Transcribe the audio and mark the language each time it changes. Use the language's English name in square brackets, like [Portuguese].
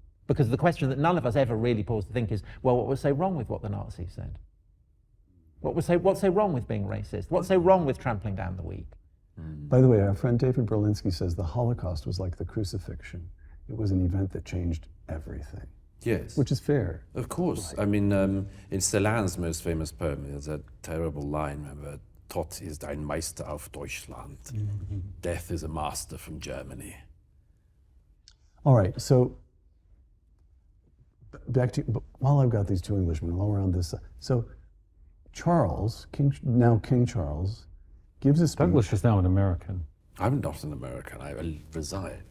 [English] Because the question that none of us ever really pause to think is, well, what was so wrong with what the Nazis said? What's so wrong with being racist? What's so wrong with trampling down the weak? By the way, our friend David Berlinski says the Holocaust was like the crucifixion. It was an event that changed everything. Yes. Which is fair. Of course. Right. I mean, in Celan's most famous poem, there's a terrible line, remember, [German] Tod ist ein Meister auf Deutschland. [English] Mm-hmm. Death is a master from Germany. All right, so back to, while I've got these two Englishmen, while we're on this, so Charles, King Charles, gives a speech. Douglas is now an American. I'm not an American, I reside.